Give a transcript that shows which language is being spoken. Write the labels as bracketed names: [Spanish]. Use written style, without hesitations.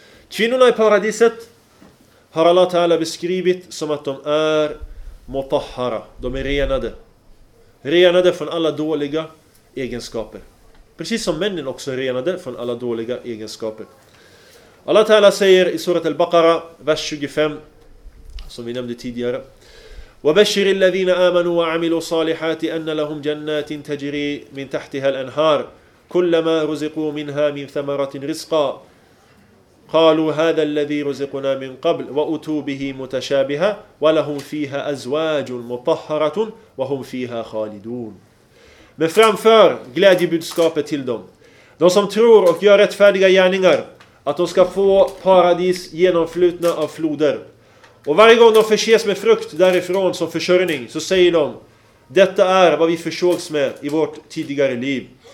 [Swedish] Kvinnorna i paradiset har Allah ta'ala beskrivit som att de är mutahara, de är renade. Renade från alla dåliga egenskaper. Precis som männen också är renade från alla dåliga egenskaper. Allah ta'ala säger i surat al-Baqara, vers 25, som vi nämnde tidigare: [Arabic] وَبَشِّرِ الَّذِينَ آمَنُوا وَعَمِلُوا صَالِحَاتِ أَنَّ لَهُمْ جَنَّاتٍ تَجْرِي مِنْ تَحْتِهَا الْأَنْهَارِ كُلَّمَا رُزِقُوا مِنْهَا مِنْ ثَمَرَةٍ رِزْقًا قَالُوا هَذَا الَّذِي رُزِقُنَا مِنْ قَبْلِ وَأُتُوا بِهِ مُتَشَابِهَا وَلَهُمْ فِيهَا أَزْوَاجٌ مُطَهَّرَةٌ وَهُمْ فِيهَا خَالِدُونَ. [Swedish] Men framför glädjebudskapet till dem, de som tror och gör rättfärdiga gärningar, att de ska få paradis genomflutna av floder. Och varje gång de förses med frukt därifrån som försörjning, så säger de: detta är vad vi försågs med i vårt tidigare liv.